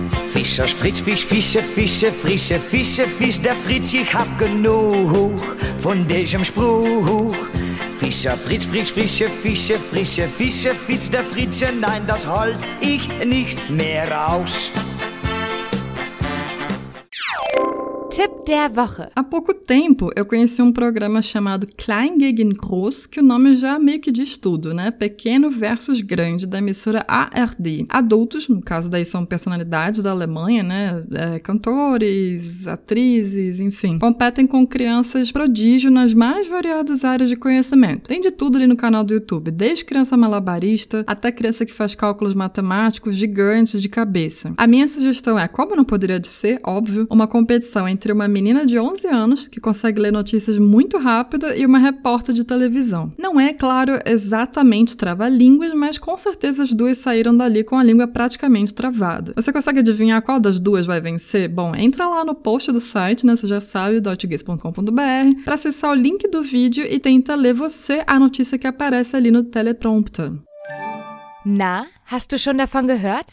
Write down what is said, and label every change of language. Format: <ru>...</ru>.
<de>Fischers Fritz, Fisch, Fische, Fische, Frische, Fische, Fisch, der Fritz, ich hab genug von diesem Spruch. Fischer Fritz, Fritz, Fische, Fische, Frische, Fische, Fisch, der Fritz, nein, das halt ich nicht mehr aus. Tipp der Woche.</de> <pt>Há pouco tempo, eu conheci um programa chamado Klein gegen Groß, que o nome já meio que diz tudo, né? Pequeno versus grande, da emissora ARD. Adultos, no caso daí são personalidades da Alemanha, né? Cantores, atrizes, enfim. Competem com crianças prodígio nas mais variadas áreas de conhecimento. Tem de tudo ali no canal do YouTube, desde criança malabarista até criança que faz cálculos matemáticos gigantes de cabeça. A minha sugestão é, como não poderia de ser, óbvio, uma competição entre uma menina de 11 anos, que consegue ler notícias muito rápido, e uma repórter de televisão. Não é, claro, exatamente trava-línguas, mas com certeza as duas saíram dali com a língua praticamente travada. Você consegue adivinhar qual das duas vai vencer? Bom, entra lá no post do site, né, você já sabe, dotgiz.com.br, para acessar o link do vídeo e tenta ler você a notícia que aparece ali no teleprompter.</pt> <de>Na, hast du schon davon gehört?</de>